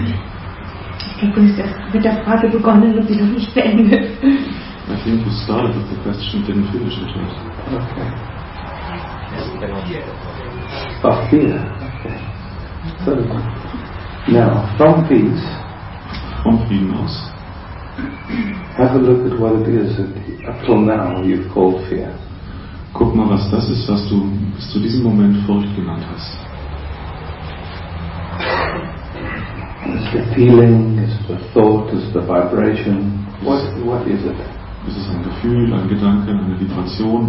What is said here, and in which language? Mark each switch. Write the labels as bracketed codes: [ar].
[de] Ich glaube, du hast mit der Frage begonnen und sie noch nicht beendet. [en] I think you started with the question, didn't finish it yet. Okay. Of fear. Okay. So, now, from peace. [de] From Frieden aus. [en] Have a look at what it is that up till now you've called fear. [de] Guck mal, was das ist, was du bis zu diesem Moment Furcht genannt hast. [en] Is it a feeling? Is it a thought? Is it a vibration? What is it? [de] Ist es ein Gefühl, ein Gedanke, eine Vibration?